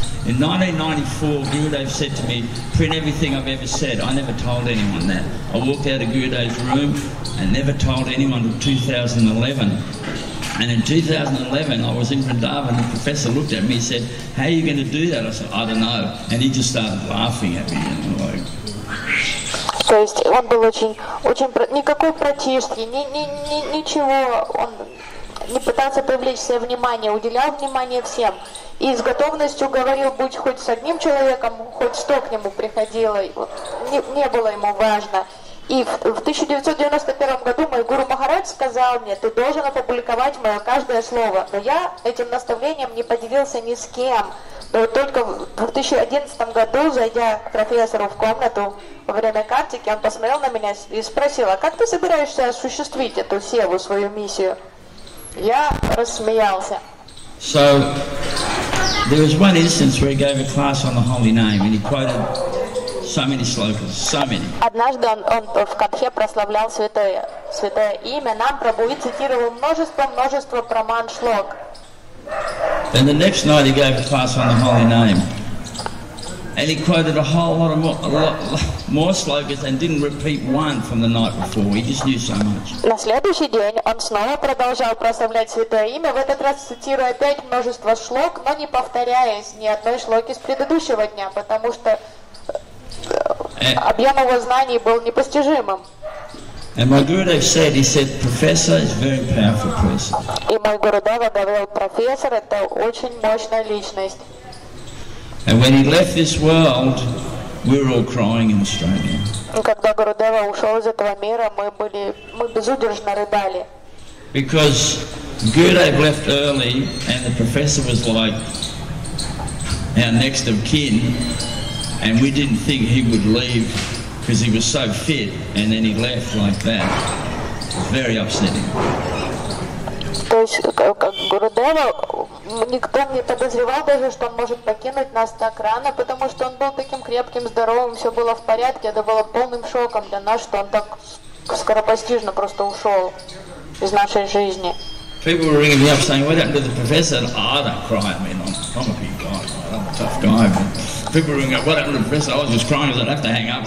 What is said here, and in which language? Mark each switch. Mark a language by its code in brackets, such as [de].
[en] In 1994, Gurudev said to me, print everything I've ever said. I never told anyone that. I walked out of Gurudev's room and never told anyone until 2011. And in 2011, I was in Vrindavan, and the professor looked at me and said, how are you going to do that? I said, I don't know. And he just started laughing at me. You know, like, [ru] то есть он был очень никакой протишки, ничего, он не пытался привлечь себе внимание, уделял внимание всем. И с готовностью говорил, будь хоть с одним человеком, хоть что к нему приходило, не было ему важно. И в 1991 году мой гуру Махарадж сказал мне, ты должен опубликовать мое каждое слово. Но я этим наставлением не поделился ни с кем. Но вот только в 2011 году, зайдя к профессору в комнату во время Картики, он посмотрел на меня и спросил, а как ты собираешься осуществить эту севу, свою миссию? Я рассмеялся. [en] So, there was one instance where he gave a class on the holy name, and he quoted... So many slogans, so many. [ru] Однажды он в Катхе прославлял святое имя нам Прабу и цитировал множество проман шлок. [en] Then the next night he gave a class on the holy name, And he quoted a whole lot of more slogans and didn't repeat one from the night before. He just knew so much. [ru] На следующий день он снова продолжал прославлять Святое Имя, в этот раз цитируя опять множество шлок, но не повторяясь ни одной шлоки с предыдущего дня, потому что объем его знаний был непостижимым. [en] And my Gurudev said, he said, professor is a very powerful person. [ru] И мой Гурудева говорил, профессор – это очень мощная личность. [en] And when he left this world, we were all crying in Australia. [ru] Когда Гурудева ушел из этого мира, мы безудержно рыдали. [en] Because Gurudev left early, and the professor was like our next of kin, and we didn't think he would leave because he was so fit, and then he left like that. Very upsetting. [ru] То есть, как Гурудева, никто не подозревал даже, что он может покинуть нас так рано, потому что он был таким крепким, здоровым, все было в порядке. Это было полным шоком для нас, что он так скоропостижно просто ушел из нашей жизни. [en] People were ringing me up saying, what happened to the professor? And I don't cry. I mean, I'm a big guy. I'm a tough guy. But people were ringing up, what happened to the professor? I was just crying because I'd have to hang up.